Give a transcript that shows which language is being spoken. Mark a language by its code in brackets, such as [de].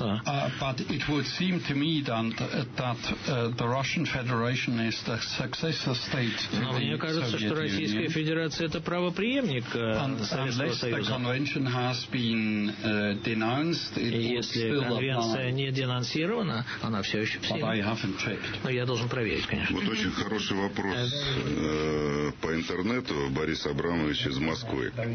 [en] But it would seem to me that the Russian Federation is the successor state to the Soviet Union. [ru] Мне кажется, что Российская Федерация это правопреемник Советского Союза. [en] Unless the convention has been denounced, it would still apply. [ru] Если конвенция не денонсирована, она все еще в силе. [en] But I haven't checked. [ru] Но я должен проверить, конечно. Вот очень хороший вопрос по интернету, Борис Абрамович из Москвы.